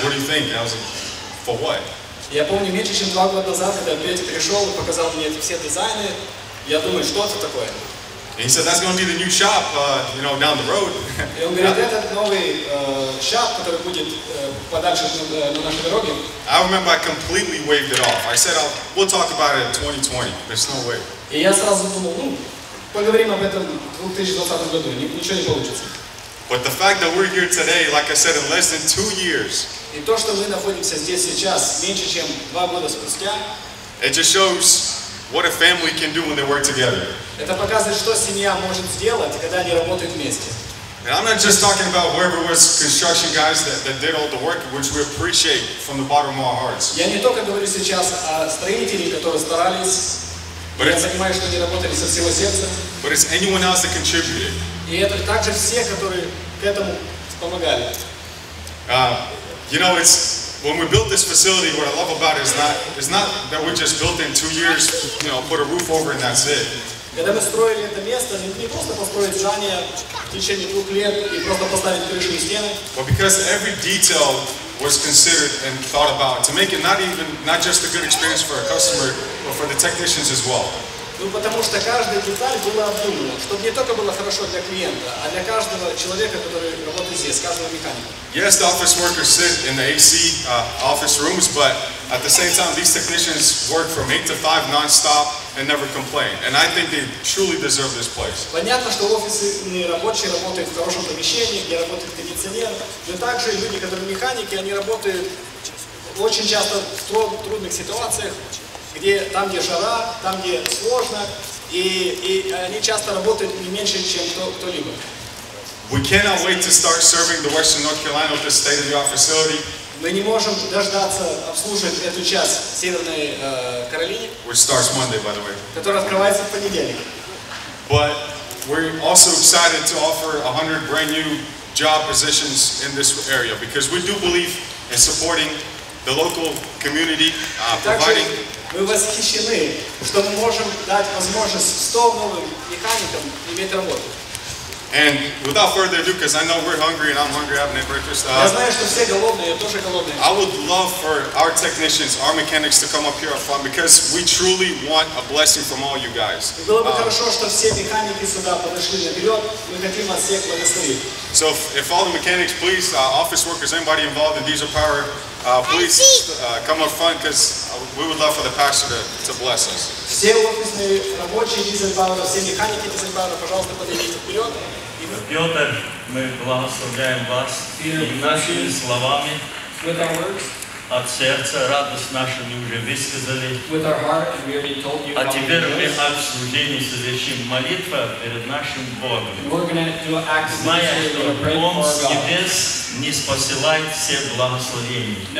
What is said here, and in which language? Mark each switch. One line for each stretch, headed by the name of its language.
English: What do you think?" And I was like, "For what?"
Russian: Я помню меньше чем 2 года назад, когда Петя пришел и показал мне эти все дизайны. Я думаю, что это такое?
English: And he said, "That's going to be the new shop, down the road."
Russian: И он говорит, это новый шап, который будет подальше на нашей дороге.
English: I remember I completely waved it off. I said, "We'll talk about it in 2020. There's no way."
Russian: И я сразу думал, поговорим об этом в 2020 году, ничего не получится.
English: But the fact that we're here today, like I said, in less than 2 years.
Russian: И то, что мы находимся здесь сейчас, меньше чем 2 года спустя.
English: It just shows what a family can do when they work together.
Russian: Это показывает, что семья может сделать, когда они работают вместе.
English: And I'm not just talking about whoever was construction guys that did all the work, which we appreciate from the bottom of our hearts.
Russian: Я не только говорю сейчас о строителях, которые старались. But я понимаю, что они работали со всего сердца.
English: But it's anyone else that contributed.
Russian: И это также все, которые к этому помогали.
English: It's when we built this facility, what I love about it is not that we just built it in 2 years, put a roof over and that's it.
Russian: Когда мы строили это место, не просто построить здание в течение 2 лет и просто поставить крышу и стены.
English: But because every detail was considered and thought about to make it not just a good experience for our customer, but for the technicians as well.
Russian: Ну потому что каждая деталь была обдумана, чтобы не только было хорошо для клиента, а для каждого человека, который работает здесь, каждого механика.
English: Yes, the office workers sit in the AC office rooms, but at the same time, these technicians work from 8 to 5 non-stop and never complain. And I think they truly deserve this place.
Russian: Понятно, что офисные рабочие работают в хорошем помещении, где работает кондиционер, но также люди, которые механики, они работают очень часто в трудных ситуациях, где там, где жара, там, где сложно, и они часто работают не меньше, чем кто-либо.
English: We cannot wait to start serving the Western North Carolina with this state-of-the-art facility.
Russian: Мы не можем дождаться обслуживать эту часть Северной Каролины.
English: Which starts Monday, by the way.
Russian: Которая открывается в понедельник.
English: But we're also excited to offer 100 brand new job positions in this area because we do believe in supporting the local community, providing.
Russian: Мы восхищены, что мы можем дать возможность 100 новым механикам иметь работу.
English: And without further ado, because I know we're hungry and I'm hungry, I haven't had breakfast.
Russian: Я знаю, что все голодные, я тоже голодный.
English: I would love for our technicians, our mechanics to come up here up front because we truly want a blessing from all you guys.
Russian: Было бы хорошо, что все механики сюда подошли наперед. Мы хотим вас всех благословить.
English: So if all the mechanics, please, office workers, anybody involved in diesel power, please come up front because we would love for the pastor to bless us.
Russian: Все офисные рабочие дизель-пауэра, все механики дизель-пауэра, пожалуйста, подойдите вперед. Петр, мы благословляем вас нашими словами от сердца, радость нашу мы уже высказали. А теперь мы от служения совершим молитву перед нашим Богом, зная, что Он с небес не посылает все благословения.